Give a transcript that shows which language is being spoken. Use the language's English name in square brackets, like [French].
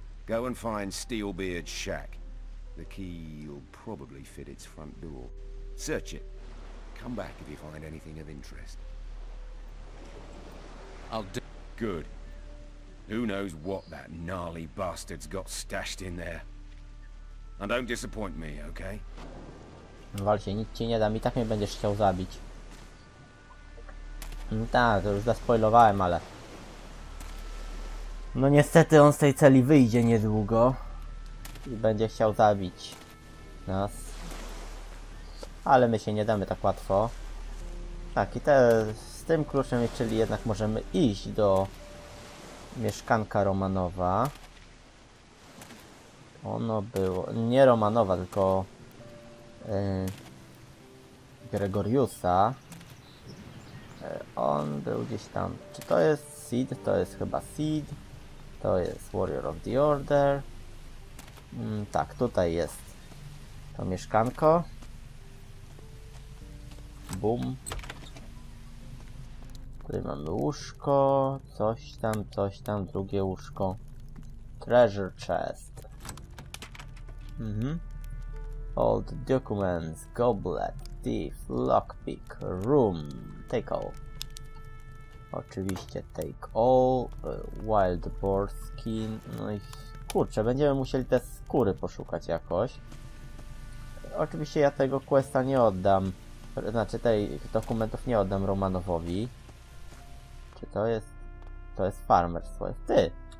[English] Go and find Steelbeard's shack. The key'll probably fit its front door. Search it. Come back if you find anything of interest. Good. Who knows what that gnarly bastard's got stashed in there? And don't disappoint me, okay? [Polish] Walcie, nic ci nie dam i tak mnie będziesz chciał zabić. No tak, to już zaspoilowałem, ale... No niestety on z tej celi wyjdzie niedługo. I będzie chciał zabić nas. Ale my się nie damy tak łatwo. Tak, i te z tym kluczem, czyli jednak możemy iść do mieszkanka Romanowa. Ono było... Nie Romanowa, tylko... Gregoriusa. On był gdzieś tam... Czy to jest Seed? To jest chyba Seed. To jest Warrior of the Order. Tak, tutaj jest to mieszkanko. Boom. Tutaj mamy łóżko, coś tam, drugie łóżko. [English] Treasure chest. Old documents, goblet, thief, lockpick, room, take all. [Polish] Oczywiście [English] take all, wild boar skin, [Polish] no i kurczę, będziemy musieli te skóry poszukać jakoś. Oczywiście ja tego questa nie oddam, znaczy tych dokumentów nie oddam Romanowowi. Czy to jest... To jest farmer swój. Ty!